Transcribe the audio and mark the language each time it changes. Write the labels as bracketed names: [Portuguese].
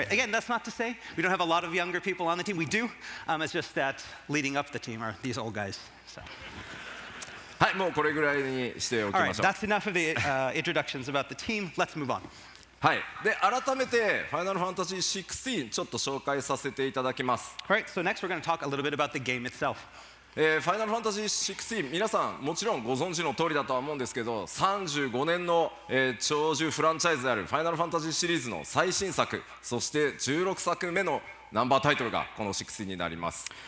[English] Alright, again, that's not to say we don't have a lot of younger people on the team. We do. It's just that leading up the team are these old guys. So. [Japanese] はい、もうこれぐらいにしておきましょう。 [English] Alright, that's enough of the introductions about the team. Let's move on. [Japanese] はい、で改めて Final Fantasy 16ちょっと紹介させていただきます。 [English] Right, so next we're going to talk a little bit about the game itself. [Japanese] Final Fantasy 16、皆さんもちろんご存知の通りだとは思うんですけど、35年の、長寿フランチャイズである Final Fantasy シリーズの最新作、そして16作目のナンバータイトルがこの16になります。